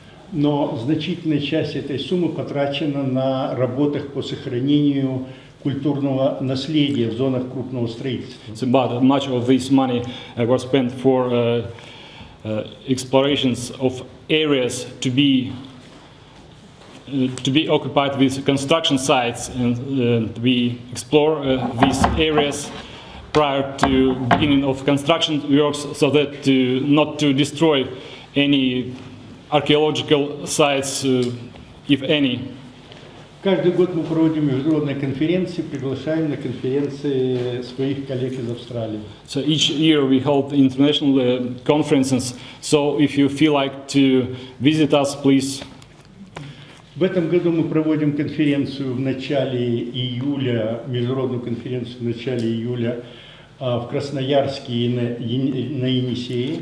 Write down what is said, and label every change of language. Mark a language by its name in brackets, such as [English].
[Russian] Но значительная часть этой суммы потрачена на работах по сохранению культурного наследия в зонах крупного строительства. [English] So, but much of this money was spent for explorations of areas to be occupied with construction sites, and we explore these areas prior to beginning of construction works, so that not to destroy any archaeological sites, if any. [Russian] Каждый год мы проводим международные конференции, приглашаем на конференции своих коллег из Австралии. [English] So each year we hold international conferences. So if you feel like to visit us, please. [Russian] В этом году мы проводим конференцию в начале июля, международную конференцию в начале июля в Красноярске и на Енисее.